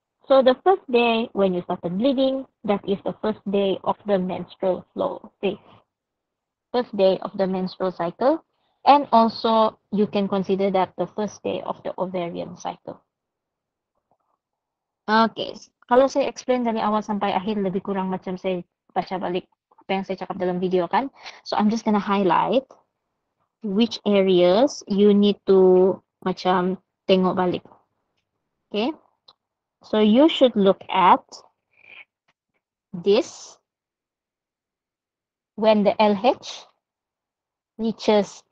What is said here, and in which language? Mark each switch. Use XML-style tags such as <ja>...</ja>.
<en>So the first day when you started bleeding, that is the first day of the menstrual flow phase. First day of the menstrual cycle. And also you can consider that the first day of the ovarian cycle. Okay.</en> <ms>Kalau saya explain dari awal sampai akhir, lebih kurang macam saya baca balik apa yang saya cakap dalam video kan.</ms> <en>So, I'm just gonna highlight which areas you need to</en> <ms>macam tengok balik.</ms> <en>Okay. So, you should look at this when the LH reaches</en>